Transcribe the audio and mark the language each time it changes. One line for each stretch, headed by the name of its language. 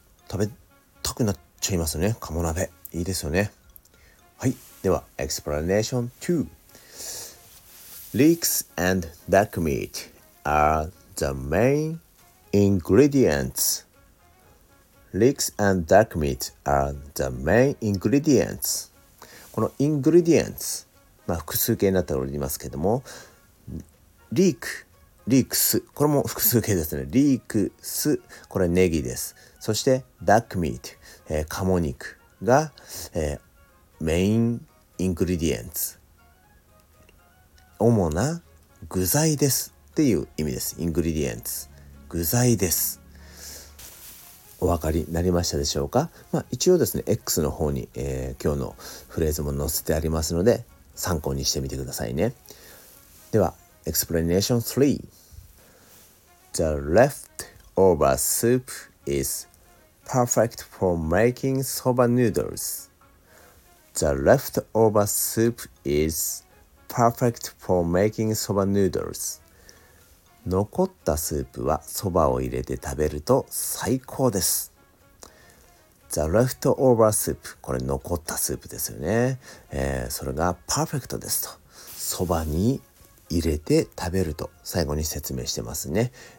Japanese: 食べたくなっちゃいますね。鴨鍋いいですよね。はい、ではエクスプラネーション2。
English: Leeks and duck meat are the main ingredientsLeeks and duck meat are the main ingredients.
Japanese: この ingredients、まあ、複数形になっておりますけども、leek、leeks、これも複数形ですね。 leeks、これネギです。そして
English: duck meat、
Japanese: 鴨肉が、
English: main ingredients。
Japanese: 主な具材ですっていう意味です。 ingredients、具材です。お分かりになりましたでしょうか。まあ一応ですね、X の方に、今日のフレーズも載せてありますので、参考にしてみてくださいね。では、Explanation 3。
English: The leftover soup is perfect for making soba noodles. The leftover soup is perfect for making soba noodles.
Japanese: 残ったスープはそばを入れて食べると最高です。
English: The leftover soup、
Japanese: これ残ったスープですよね。それがパーフェクトですと。そばに入れて食べると最後に説明してますね。